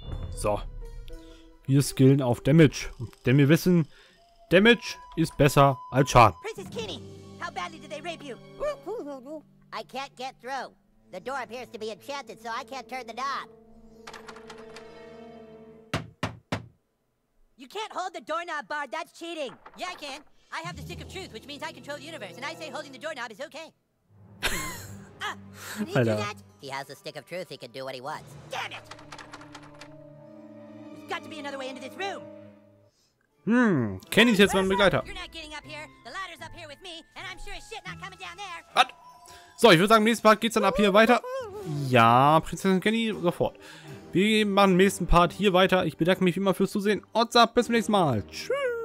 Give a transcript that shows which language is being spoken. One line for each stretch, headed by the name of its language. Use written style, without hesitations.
German: So. Wir skillen auf Damage. Denn wir wissen, Damage ist besser als Schaden.
English: Princess Kini, how badly did they rape you? I can't get through. The door appears to be enchanted, so I can't turn the knob. You can't hold the doorknob, Bard. That's cheating. Yeah, I can. I have the stick of truth, which means I control the universe, and I say holding the doorknob is okay. Can he do that? He has the stick of truth. He can do what he wants. Damn it! There's got to be another way into this room.
German: Kenny's jetzt mein Begleiter.
English: You're not getting up here. The ladder's up here with me, and I'm sure as shit not coming down there. What?
German: So, ich würde sagen, im nächsten Part geht's dann ab hier weiter. Ja, Prinzessin Kenny, sofort. Wir machen im nächsten Part hier weiter. Ich bedanke mich wie immer fürs Zusehen. Und bis zum nächsten Mal. Tschüss.